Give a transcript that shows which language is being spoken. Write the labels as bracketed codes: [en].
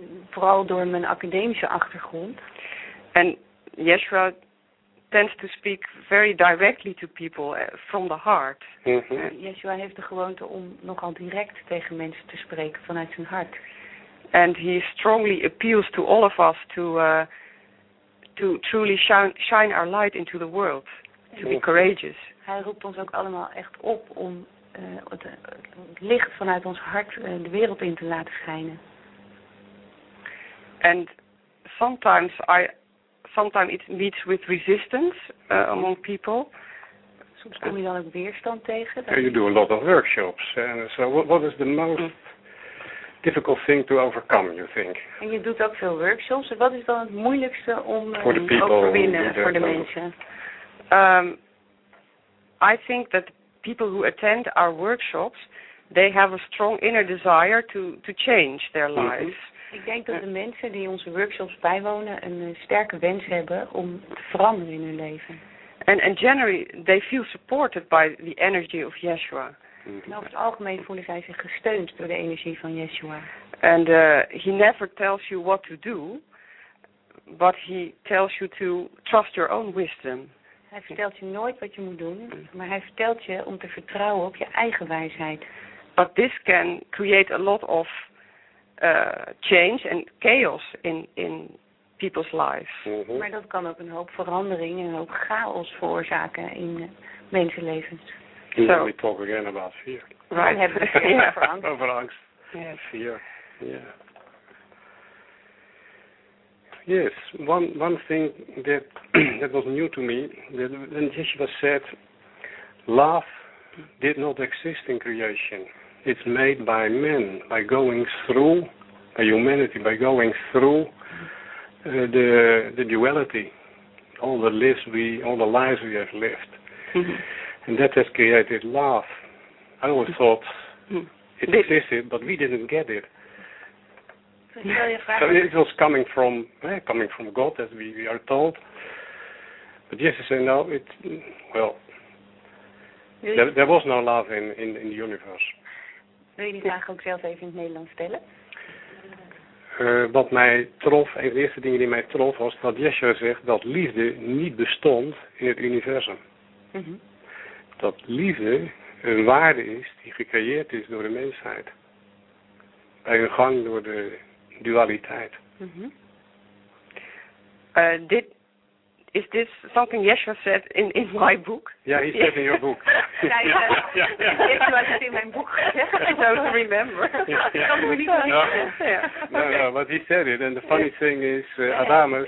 [nl] vooral door mijn academische achtergrond. En [en] Yeshua tends to speak very directly to people from the heart. Mm-hmm. [nl] Yeshua heeft de gewoonte om nogal direct tegen mensen te spreken vanuit zijn hart. [en] And he strongly appeals to all of us to truly shine our light into the world, to be courageous. [nl] Hij roept ons ook allemaal echt op om het licht vanuit ons hart de wereld in te laten schijnen. [en] And sometimes it meets with resistance among people. [nl] Soms kom je dan ook weerstand tegen. [en] And you do a lot of workshops. And so what is the most difficult thing to overcome, you think? [nl] En je doet ook veel workshops. En wat is dan het moeilijkste om te overwinnen voor de mensen? [en] I think that people who attend our workshops, they have a strong inner desire to change their lives. [nl] Ik denk dat de mensen die onze workshops bijwonen een sterke wens hebben om te veranderen in hun leven. [en] And generally they feel supported by the energy of Yeshua. [nl] En over het algemeen voelen zij zich gesteund door de energie van Yeshua. [en] And he never tells you what to do, but he tells you to trust your own wisdom. [nl] Hij vertelt je nooit wat je moet doen, maar hij vertelt je om te vertrouwen op je eigen wijsheid. [en] But this can create a lot of change and chaos in people's lives. Mm-hmm. [nl] Maar dat kan ook een hoop verandering en een hoop chaos veroorzaken in mensenlevens. [en] So, we talk again about fear. Right. [nl] We hebben het over angst. Over angst. [en] Yes. Fear. Yeah. Yes, one thing that that was new to me, that when Yeshua said, love did not exist in creation. It's made by men, by going through, by humanity, by going through the duality, all the lives we have lived. Mm-hmm. And that has created love. I always thought it existed, but we didn't get it. So it was coming from God, as we are told. But yes, I say no, it, well, there was no love in the universe. [nl] Wil je die vraag ook zelf even in het Nederlands stellen? Wat mij trof, een van de eerste dingen die mij trof, was dat Yeshua zegt dat liefde niet bestond in het universum. Mm-hmm. Dat liefde een waarde is die gecreëerd is door de mensheid. Bij een gang door de dualiteit. Mm-hmm. [en] Is this something Yeshua said in my book? Yeah, he said in your book. Yeshua said in my book. I don't remember. No, but he said it. And the funny thing is, Adamus.